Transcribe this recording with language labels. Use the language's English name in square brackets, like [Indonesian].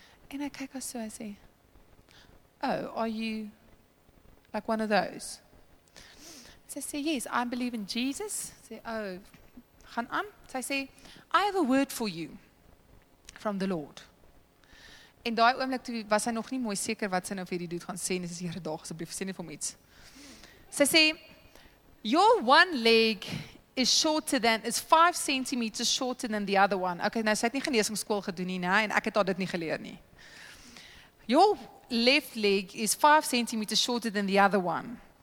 [Afrikaans] En ek kyk haar so, I sê, [English] "Oh, are you like one of those?" [Afrikaans] Sy sê, [English] "Yes, I believe in Jesus." [Afrikaans] Sy sê, "Oh, gaan aan." Sy sê, [English] "I have a word for you from the Lord." [Afrikaans] En daai oomblik toe was sy nog nie mooi seker wat sy nou vir hierdie dude gaan sê, dis die Here daag asseblief sê net vir hom iets. Sy sê, [English] "Your one leg is 5 centimeters shorter than the other one." [Afrikaans] Okay, nou sy het nie geneesingsskool gedoen nie, nê, en ek het haar dit nie geleer nie. [English] "Your left leg is 5 centimeters shorter than the other one."